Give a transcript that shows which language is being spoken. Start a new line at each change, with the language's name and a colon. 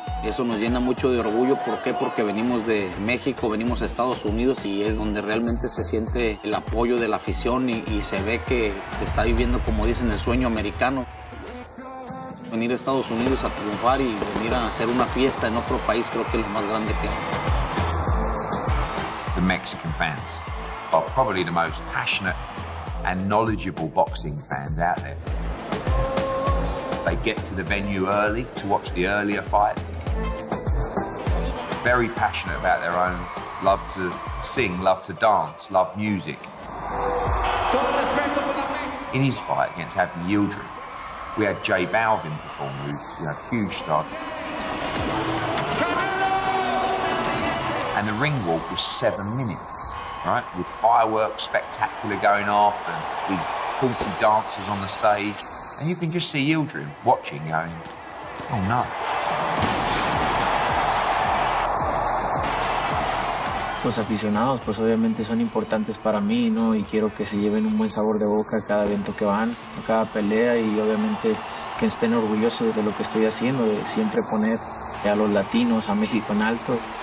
Spanish: Eso nos llena mucho de orgullo. ¿Por qué? Porque venimos de México, venimos a Estados Unidos y es donde realmente se siente el apoyo de la afición y se ve que se está viviendo, como dicen, el sueño americano. Venir a Estados Unidos a triunfar y venir a hacer una fiesta en otro país, creo que es lo más grande que hay.
English: The Mexican fans are probably the most passionate and knowledgeable boxing fans out there. They get to the venue early to watch the earlier fight. Very passionate about their own, love to sing, love to dance, love music. In his fight against Abby Yildirim, we had Jay Balvin perform, who's a huge star. And the ring walk was 7 minutes. Right, with fireworks spectacular going off and these 40 dancers on the stage. And you can just see Yildirim watching going, oh no.
Spanish: Los aficionados pues obviamente son importantes para mí, ¿no? Y quiero que se lleven un buen sabor de boca a cada evento que van, a cada pelea y obviamente que estén orgullosos de lo que estoy haciendo, de siempre poner a los latinos, a México en alto.